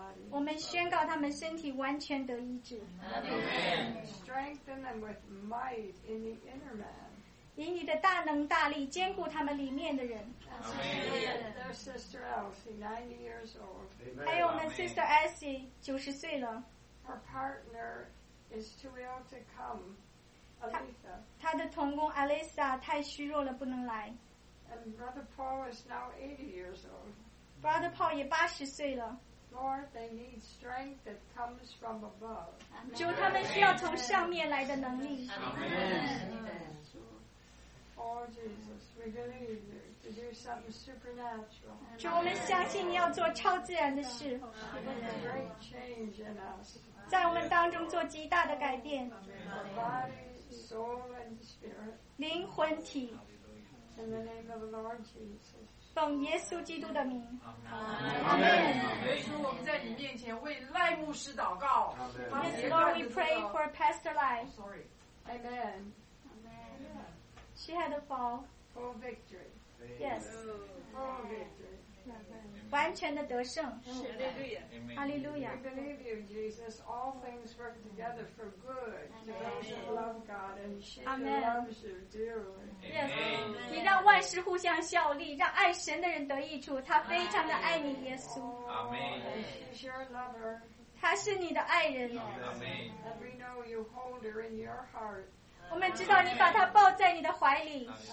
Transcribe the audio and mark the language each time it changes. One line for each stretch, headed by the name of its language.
Chinese: 我们宣告他们身体完全得医治。
English: Amen. Strengthen them with might in the inner man.
Chinese: 以你的大能大力坚固他们里面的人。
English: Their sister Elsie, 90 years old.
Chinese: 还有我们 sister Elsie, 90岁了。
English: Her partner is too ill to come, Alisa.
Chinese: 她的同工 Alisa 太虚弱了，不能来。
English: And Brother Paul is now 80 years old.
Chinese: Brother Paul 也80岁了。
English: Lord, they need strength that comes from above.
Chinese: 主，他们需要从上面来的能力。
English: Oh, Jesus, we believe you to do something supernatural.
Chinese: 主，我们相信你要做超自然的事。
English: Great change in us.
Chinese: 在我们当中做极大的改变。
English: Our body, soul, and spirit.
Chinese: 灵魂体。
English: In the name of the Lord Jesus.
Chinese: 奉耶稣基督的名。
English: Amen.
Chinese: 主，我们在你面前为赖牧师祷告。
English: Yes, Lord, we pray for Pastor Lai. Sorry. Amen. She had a fall. Full victory. Yes. Full victory.
Chinese: 完全的得胜。
English: Hallelujah. We believe you, Jesus. All things work together for good. To those who love God and she loves you dearly. Yes.
Chinese: 你让万事互相效力，让爱神的人得益处。他非常的爱你，耶稣。
English: Amen. She's your lover.
Chinese: 他是你的爱人。
English: Amen. And we know you hold her in your heart.
Chinese: 我们知道你把他抱在你的怀里。